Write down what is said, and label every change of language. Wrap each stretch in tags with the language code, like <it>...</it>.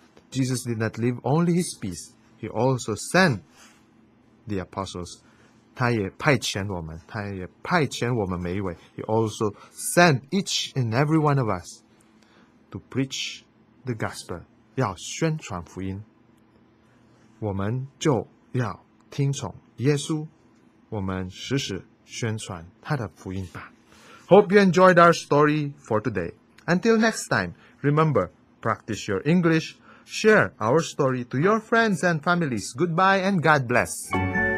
<en>Jesus did not leave only his peace, he also sent the apostles.</en> <zh>他也派遣我们，他也派遣我们每一位。</zh> <en>He also sent each and every one of us to preach the gospel,</en> <zh>要宣传福音。我们就要听从耶稣，我们时时宣传他的福音吧。</zh> <en>Hope you enjoyed our story for today. Until next time, remember, practice your English, share our story to your friends and families. Goodbye and God bless.</en>